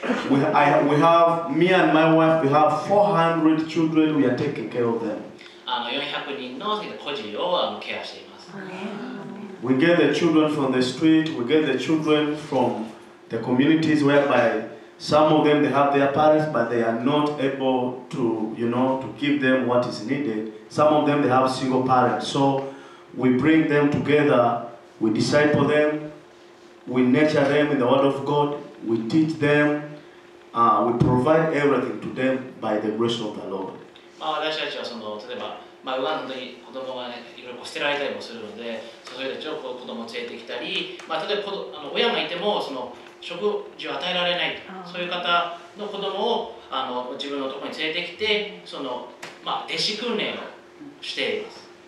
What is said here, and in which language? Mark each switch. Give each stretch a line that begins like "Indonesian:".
English: We have, me and my wife, we have 400 children, we are taking care of them.
Japanese: 400人の孤児をケアしています。
English: We get the children from the street, we get the children from the communities whereby some of them they have their parents but they are not able to, you know, to give them what is needed. Some of them they have single parents. So we bring them together, we disciple them, we nurture them in the word of God, we teach them, we provide everything to them by the grace of the Lord.
Japanese: ウガンダに子供が、いろいろ捨てられたりもするので、そういう人たちを子供を連れてきたり、例えば親がいてもその食事を与えられない、そういう方の子供を自分のところに連れてきて、その弟子訓練をしています。